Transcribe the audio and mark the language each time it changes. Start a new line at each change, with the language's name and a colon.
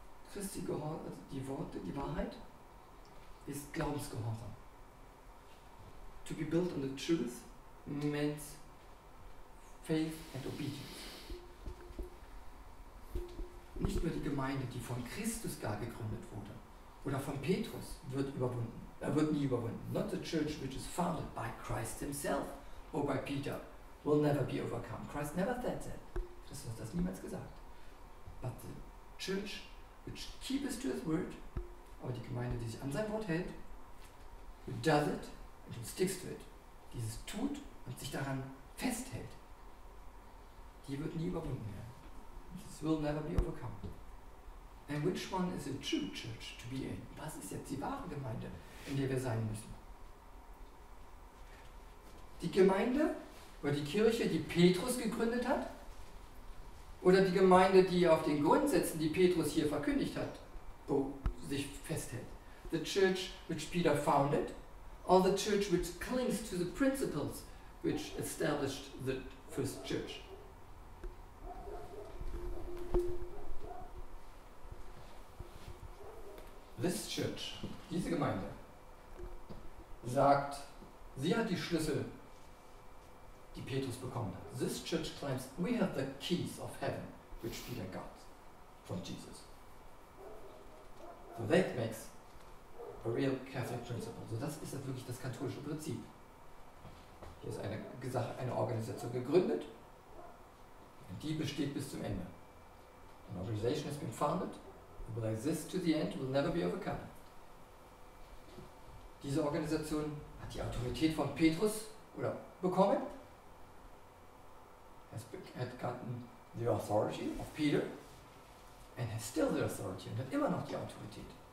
German: Christi Gehorsam, die Worte, die Wahrheit, ist Glaubensgehorsam.
English: To be built on the truth means faith and obedience.
German: Nicht nur die Gemeinde, die von Christus gar gegründet wurde, oder von Petrus, wird überwunden. Er wird nie überwunden.
English: Not the church which is founded by Christ himself or by Peter will never be overcome. Christ never said that.
German: Christus hat das niemals gesagt.
English: But the church which keeps to his word,
German: aber die Gemeinde, die sich an sein Wort hält,
English: who does it and who sticks to it,
German: die es tut und sich daran festhält, die wird nie überwunden werden.
English: This will never be overcome. And which one is a true church to be in?
German: Was ist jetzt die wahre Gemeinde, in der wir sein müssen? Die Gemeinde oder die Kirche, die Petrus gegründet hat? Oder die Gemeinde, die auf den Grundsätzen, die Petrus hier verkündigt hat, sich festhält?
English: The church which Peter founded? Or the church which clings to the principles which established the first church? This church,
German: diese Gemeinde, sagt, sie hat die Schlüssel, die Petrus bekommen hat.
English: This church claims, we have the keys of heaven, which Peter got from Jesus. So that makes a real Catholic principle.
German: So das ist wirklich das katholische Prinzip. Hier ist eine Organisation gegründet, und die besteht bis zum Ende.
English: An organization has been founded, will exist to the end, will never be overcome.
German: Diese Organisation hat die Autorität von Petrus oder bekommen.
English: Had gotten the authority of Peter and has still the authority and
German: hat immer noch die Autorität.